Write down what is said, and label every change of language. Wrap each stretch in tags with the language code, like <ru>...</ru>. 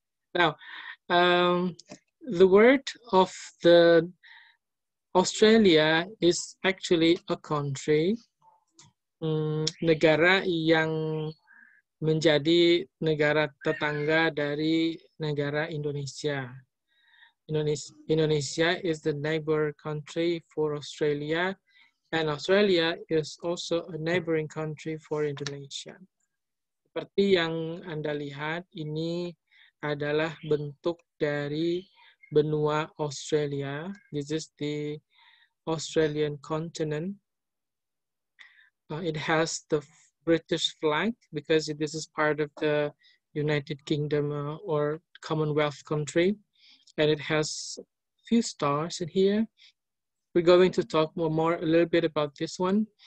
<en>Now, the word of the Australia is actually a country,</en> <id>negara yang menjadi negara tetangga dari negara Indonesia.</id> <en>Indonesia is the neighbor country for Australia, and Australia is also a neighboring country for Indonesia.</en> <id>Seperti yang Anda lihat, ini adalah bentuk dari benua Australia.</id> <en>This is the Australian continent. It has the British flag because this is part of the United Kingdom or Commonwealth country. And it has a few stars in here. We're going to talk more a little bit about this one.</en>